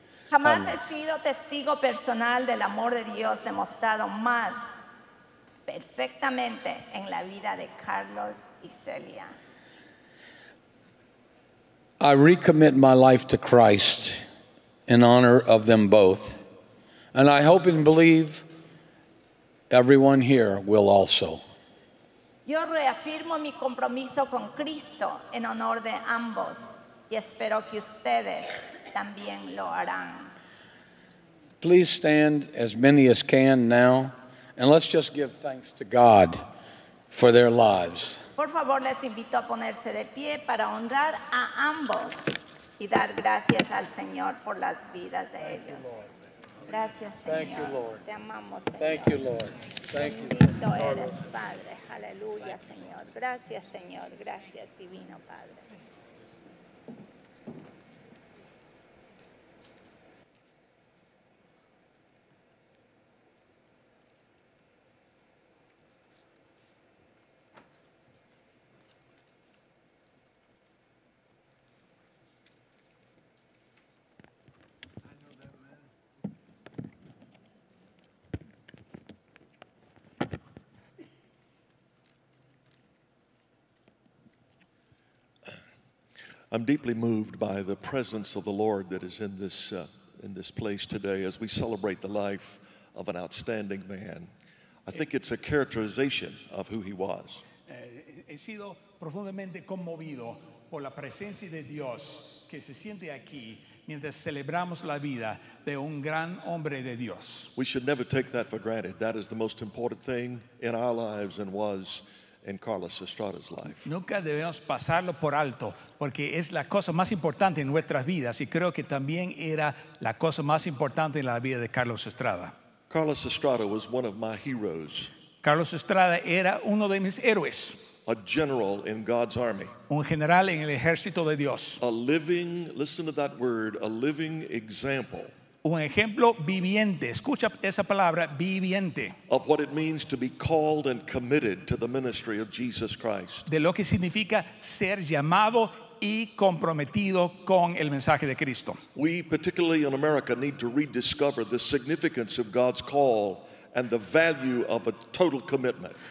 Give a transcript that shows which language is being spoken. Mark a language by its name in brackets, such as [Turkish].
[Spanish] Jamás he sido testigo personal del amor de Dios demostrado más perfectamente en la vida de Carlos y Celia. [English] I recommit my life to Christ in honor of them both, and I hope and believe everyone here will also. [Spanish] Yo reafirmo mi compromiso con Cristo en honor de ambos, y espero que ustedes también lo harán. [English] Please stand as many as can now, and let's just give thanks to God for their lives. [Spanish] Por favor, les invito a ponerse de pie para honrar a ambos y dar gracias al Señor por las vidas de ellos. Gracias, Señor. [English] Thank you, Lord. [Spanish] Te amamos, Señor. [English] Thank you, Lord. Thank you. [Spanish] Bendito eres, Padre. Aleluya, Señor. Gracias, Señor. Gracias, Divino Padre. [English] I'm deeply moved by the presence of the Lord that is in this place today as we celebrate the life of an outstanding man. I think it's a characterization of who he was. [Spanish] He sido profundamente conmovido por la presencia de Dios que se siente aquí mientras celebramos la vida de un gran hombre de Dios. [English] We should never take that for granted. That is the most important thing in our lives and was in Carlos Estrada's life. [Spanish] Nunca debemos pasarlo por alto, porque es la cosa más importante en nuestras vidas, y creo que también era la cosa más importante en la vida de Carlos Estrada. [English] Carlos Estrada was one of my heroes. [Spanish] Carlos Estrada era uno de mis héroes. [English] A general in God's army. [Spanish] Un general en el ejército de Dios. [English] A living, listen to that word, a living example. [Spanish] Un ejemplo viviente, escucha esa palabra, viviente. [English] Of what it means to be called and committed to the ministry of Jesus Christ. [Spanish] De lo que significa ser llamado y comprometido con el mensaje de Cristo. [English] We, particularly in America, need to rediscover the significance of God's call and the value of a total commitment.